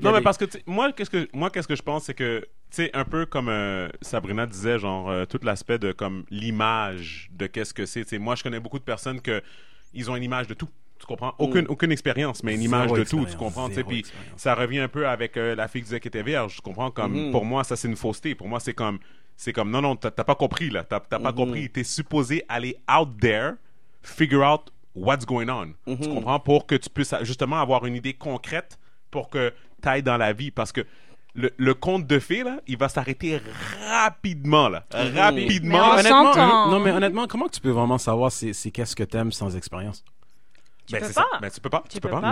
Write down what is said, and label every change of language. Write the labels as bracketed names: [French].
[French] Non mais parce que qu'est-ce que je pense, c'est que tu sais, un peu comme Sabrina disait, genre tout l'aspect de comme l'image de qu'est-ce que c'est. T'sais, moi je connais beaucoup de personnes que ils ont une image de tout. Tu comprends? Aucune expérience, mais une image de tout. Tu comprends? Puis ça revient un peu avec la fille qui disait qu'elle était vierge. Tu comprends? Comme pour moi ça c'est une fausseté. Pour moi c'est comme non, t'as pas compris là. T'as pas compris. T'es supposé aller [English] out there, figure out what's going on. [French] Mm-hmm. Tu comprends? Pour que tu puisses justement avoir une idée concrète pour que t'ailles dans la vie. Parce que le conte de fées, là, il va s'arrêter rapidement, là. Mm-hmm. Rapidement. Mais honnêtement, comment tu peux vraiment savoir si qu'est-ce que t'aimes sans expérience? Tu peux pas.